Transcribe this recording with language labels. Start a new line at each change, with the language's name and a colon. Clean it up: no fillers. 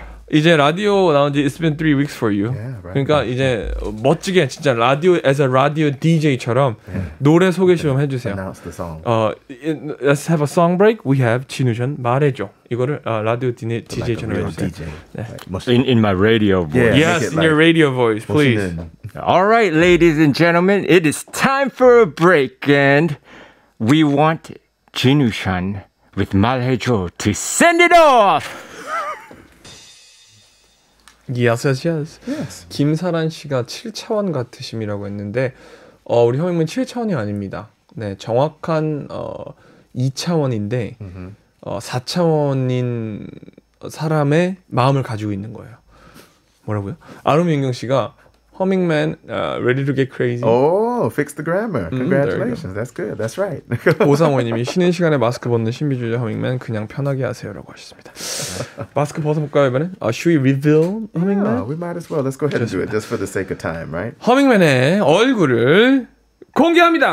Korean: 이제 라디오 나온 지
English: it's been 3 weeks for you. Yeah, right.
Korean: 그러니까 이제 멋지게 진짜 라디오
English: as a radio DJ
Korean: 처럼 yeah. 노래 소개 좀 해 주세요.
English: Announce the song. Let's have a song break. We have 진우션 말해줘.
Korean: 이거를 라디오 DJ처럼
English: like
Korean: 해 주세요. DJ. 네.
English: In my radio voice. Yeah, yes, in like your radio voice, please. All right, ladies and gentlemen, it is time for a break and we want 진우션 with 말해줘 to send it off. Yes, yes, yes. Yes.
Korean: 김사란 씨가 7차원 같으심이라고 했는데 우리 형님은 7차원이 아닙니다. 네, 정확한 2차원인데 4차원인 사람의 마음을 가지고 있는 거예요. 뭐라고요? 아름 윤경 씨가 허밍맨
English: ready to get crazy. Oh, fix the grammar. Congratulations. That's good. That's right.
Korean: 오상원 님이 쉬는 시간에 마스크 벗는 신비주의자 허밍맨 그냥 편하게 하세요라고 하셨습니다. 마스크 벗어 볼까요, 이번엔?
English: Should we reveal Humming-man? Yeah, we might as well. Let's go ahead
Korean: 좋습니다.
English: And do it just for the sake of time, right?
Korean: 허밍맨의 얼굴을 공개합니다.